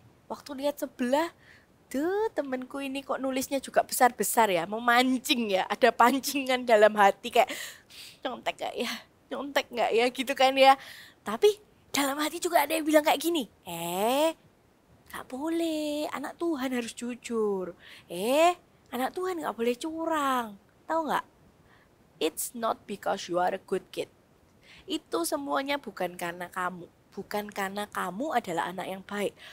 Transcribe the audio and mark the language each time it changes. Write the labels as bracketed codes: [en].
[id] Waktu lihat sebelah, tuh temanku ini kok nulisnya juga besar-besar ya, memancing ya, ada pancingan dalam hati kayak nyontek gak ya gitu kan ya. Tapi dalam hati juga ada yang bilang kayak gini, gak boleh, anak Tuhan harus jujur. Anak Tuhan gak boleh curang. Tahu gak? [en] It's not because you are a good kid. [id] Itu semuanya bukan karena kamu. Bukan karena kamu adalah anak yang baik.